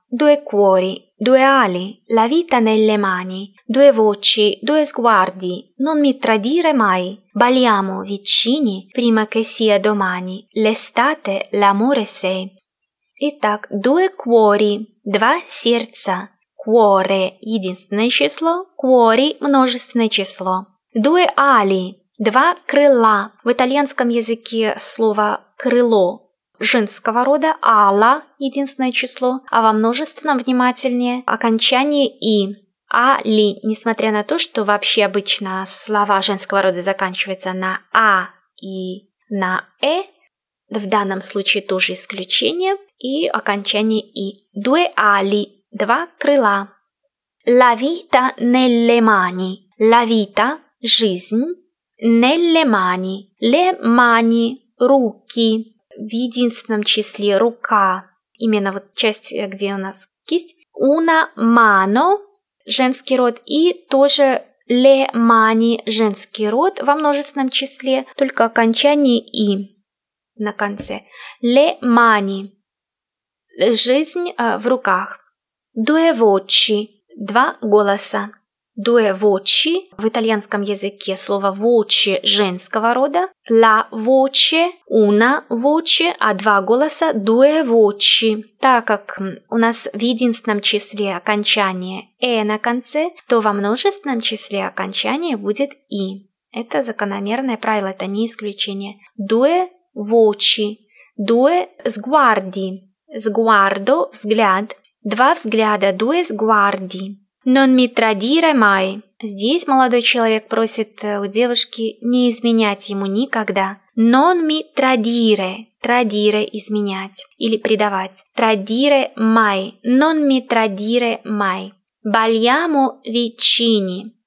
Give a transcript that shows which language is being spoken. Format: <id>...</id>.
<it>Due cuori, due ali, la vita nelle mani, due voci, due sguardi, non mi tradire mai. Balliamo vicini, prima che sia domani, l'estate, l'amore sei.</it> <ru>Итак,</ru> <it>due cuori,</it> <ru>два сердца.</ru> <it>Cuore,</it> <ru>единственное число,</ru> <it>cuori,</it> <ru>множественное число.</ru> <it>Due ali,</it> <ru>два крыла. В итальянском языке слово «крыло» женского рода, ала, единственное число, а во множественном внимательнее, окончание и.</ru> <it>Али,</it> <ru>несмотря на то, что вообще обычно слова женского рода заканчиваются на а и на э, в данном случае тоже исключение, и окончание и.</ru> <it>Due ali,</it> <ru>два крыла.</ru> <it>La vita nelle mani. La vita,</it> <ru>жизнь,</ru> <it>nelle mani. Le mani,</it> <ru>руки. В единственном числе рука, именно вот часть, где у нас кисть,</ru> <it>una mano,</it> <ru>женский род, и тоже</ru> <it>le mani,</it> <ru>женский род, во множественном числе, только окончание и на конце.</ru> <it>Le mani,</it> <ru>жизнь в руках.</ru> <it>Due voci,</it> <ru>два голоса. Due voci, в итальянском языке слово voce женского рода.</ru> <it>La voce, una voce,</it> <ru>а два голоса</ru> <it>due voci.</it> <ru>Так как у нас в единственном числе окончание «э» на конце, то во множественном числе окончание будет «и». Это закономерное правило, это не исключение.</ru> <it>Due voci, due sguardi, sguardo,</it> <ru>взгляд, два взгляда,</ru> <it>due sguardi. Non mi tradire mai.</it> <ru>Здесь молодой человек просит у девушки не изменять ему никогда. Non mi tradire.</ru> <it>Tradire</it> <ru>– изменять или предавать.</ru> <it>Tradire mai. Non mi tradire mai. Balliamo vicini.</it>